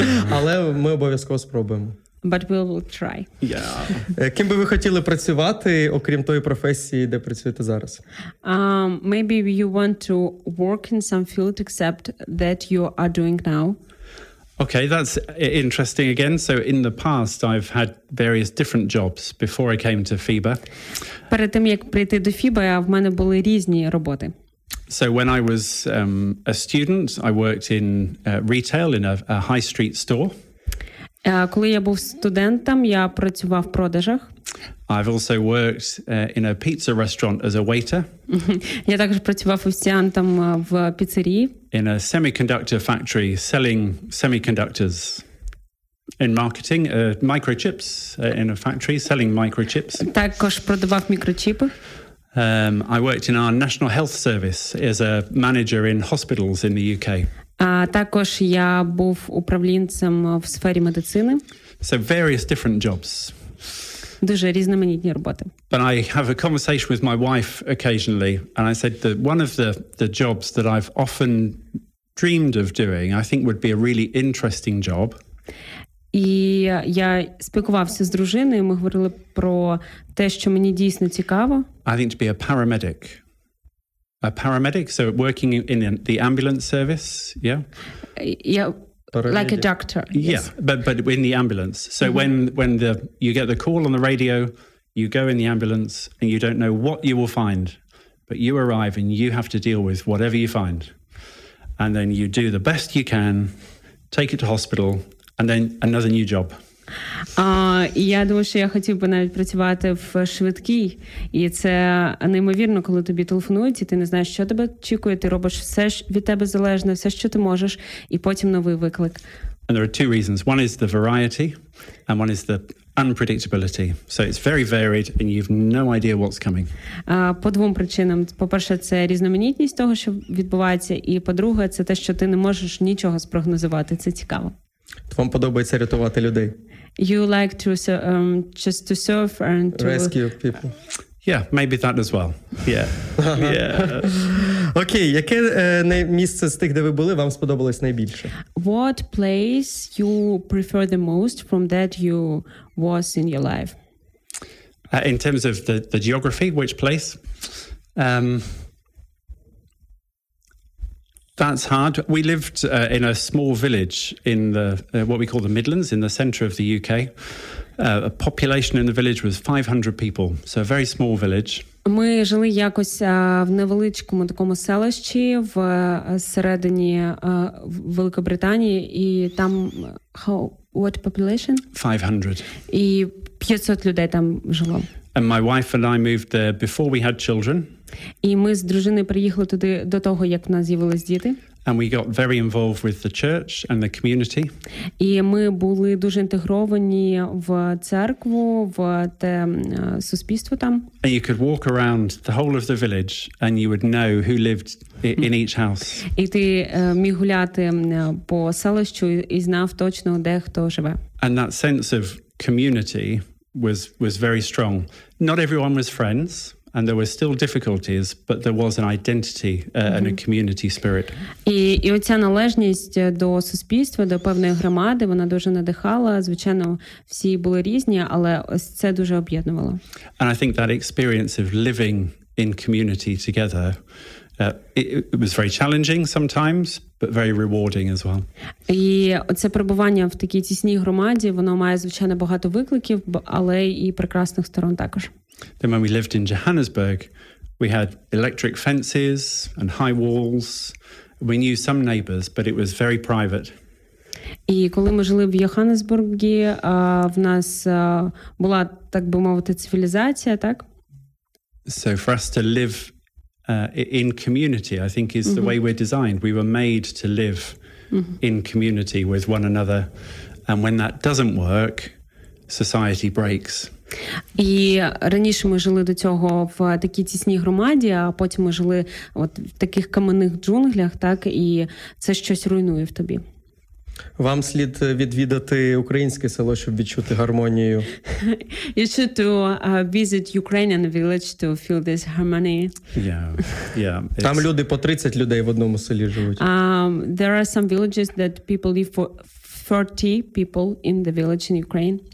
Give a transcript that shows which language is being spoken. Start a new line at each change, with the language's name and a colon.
Ukrainian: Але ми обов'язково спробуємо.
English: But we will try. Yeah.
Ukrainian: Ким би ви хотіли працювати, окрім тої професії, де працюєте зараз?
English: Maybe you want to work in some field except that you are doing now. Okay, that's interesting again. So in the past, I've had various different jobs before I came to FIBA.
Ukrainian: Перед тим, як прийти до FIBA, в мене були різні роботи.
English: So when I was a student, I worked in retail in a high street store.
Ukrainian: Коли я був студентом, я працював в продажах.
English: I've also worked in a pizza restaurant as a waiter.
Ukrainian: Я також працював офіціантом в піцерії.
English: In a semiconductor factory selling semiconductors. In marketing, microchips in a factory selling microchips.
Ukrainian: Також продавав мікрочіпи.
English: I worked in our National Health Service as a manager in hospitals in the UK.
Ukrainian: Також я був управлінцем в сфері медицини.
English: So various different jobs.
Ukrainian: Дуже різноманітні роботи.
English: But I have a conversation with my wife occasionally, and I said that one of the jobs that I've often dreamed of doing, I think would be a really interesting job.
Ukrainian: І я спілкувався з дружиною, ми говорили про те, що мені дійсно цікаво.
English: I think to be a paramedic. A paramedic, so working in the ambulance service, yeah? Yeah, like a doctor. Yes. Yeah, but in the ambulance. So mm-hmm. when the you get the call on the radio, you go in the ambulance and you don't know what you will find, but you arrive and you have to deal with whatever you find. And then you do the best you can, take it to hospital, and then another new job.
Ukrainian: Я думаю, що я хотів би навіть працювати в швидкій, і це неймовірно, коли тобі телефонують, і ти не знаєш, що тебе очікує, ти робиш все від тебе залежне, все, що ти можеш, і потім новий виклик.
English: And there are two reasons. One is the variety, and one is the unpredictability. So it's very varied, and you've no idea what's coming.
Ukrainian: По двом причинам. По-перше, це різноманітність того, що відбувається, і по-друге, це те, що ти не можеш нічого спрогнозувати. Це цікаво. Вам подобається рятувати людей?
English: You like to just to serve and to rescue people. Yeah, maybe that as well. Yeah. Yeah.
Ukrainian: Окей, яке місце з тих, де ви були, вам сподобалось найбільше?
English: What place you prefer the most from that you was in your life? In terms of the geography, which place? That's hard. We lived in a small village in the what we call the Midlands, in the centre of the UK. A population in the village was 500 people, so a very small village.
Ukrainian: Ми жили якось в невеличкому такому селищі в середині Великобританії, і там
English: what population? 500.
Ukrainian: І 500 людей там жило.
English: And my wife and I moved there before we had children.
Ukrainian: І ми з дружиною приїхали туди до того, як в нас з'явились діти.
English: And we got very involved with the church and the community.
Ukrainian: І ми були дуже інтегровані в церкву, в те суспільство там.
English: And you could walk around the whole of the village and you would know who lived in each house.
Ukrainian: І ти міг гуляти по селищу і знав точно, де хто живе.
English: And that sense of community was very strong. Not everyone was friends. and there were still difficulties, but there was an identity and a community spirit.
Ukrainian: І оця належність до суспільства, до певної громади, вона дуже надихала. Звичайно, всі були різні, але ось це дуже об'єднувало.
English: And I think that experience of living in community together, it was very challenging sometimes, but very rewarding as well.
Ukrainian: І це перебування в такій тісній громаді, воно має звичайно багато викликів, але і прекрасних сторон також.
English: Then when we lived in Johannesburg, we had electric fences and high walls. We knew some neighbors, but it was very private.
Ukrainian: І коли ми жили в Йоханнесбургі, в нас була, так би мовити, цивілізація, так?
English: So for us to live in community, I think, is the way we're designed. We were made to live in community with one another. And when that doesn't work, society breaks.
Ukrainian: І раніше ми жили до цього в такій тісній громаді, а потім ми жили от в таких каменних джунглях, так, і це щось руйнує в тобі. Вам слід відвідати українське село, щоб відчути гармонію.
English: You should to visit Ukrainian village to feel this harmony. Yeah.
Ukrainian: Там люди по 30 людей в одному селі живуть.
English: There are some villages that people live for 30 people in the village in Ukraine.